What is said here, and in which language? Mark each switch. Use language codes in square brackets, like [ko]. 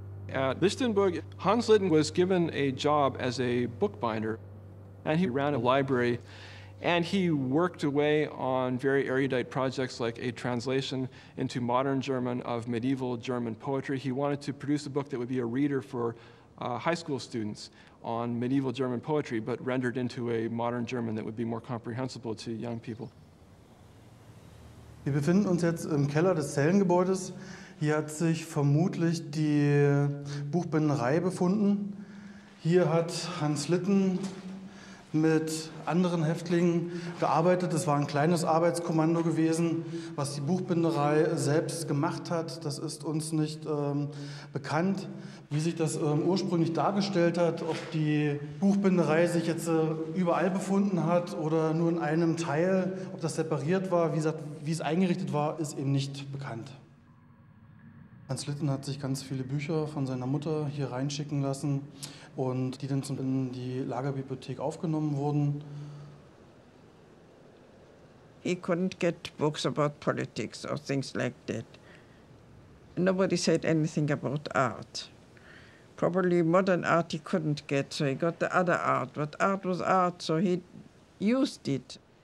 [en] At Lichtenberg, Hans Litten was given a job as a bookbinder, and he ran a library, and he worked away on very erudite projects like a translation into modern German of medieval German poetry. He wanted to produce a book that would be a reader for high school students on medieval German poetry, but rendered into a modern German that would be more comprehensible to young people. [de] Wir befinden uns jetzt im Keller des Zellengebäudes. Hier hat sich vermutlich die Buchbinderei befunden. Hier hat Hans Litten mit anderen Häftlingen gearbeitet. Es war ein kleines Arbeitskommando gewesen, was die Buchbinderei selbst gemacht hat. Das ist uns nicht bekannt, wie sich das ursprünglich dargestellt hat, ob die Buchbinderei sich jetzt überall befunden hat oder nur in einem Teil, ob das separiert war. Wie gesagt, wie es eingerichtet war, ist eben nicht bekannt. Hans Litten hat sich ganz viele Bücher von seiner Mutter hier reinschicken lassen und die dann in die Lagerbibliothek aufgenommen wurden. [en] He couldn't get books about politics or things like that. Nobody said anything about art. Probably modern art he couldn't get, so he got the other art. But art was art, so he used it.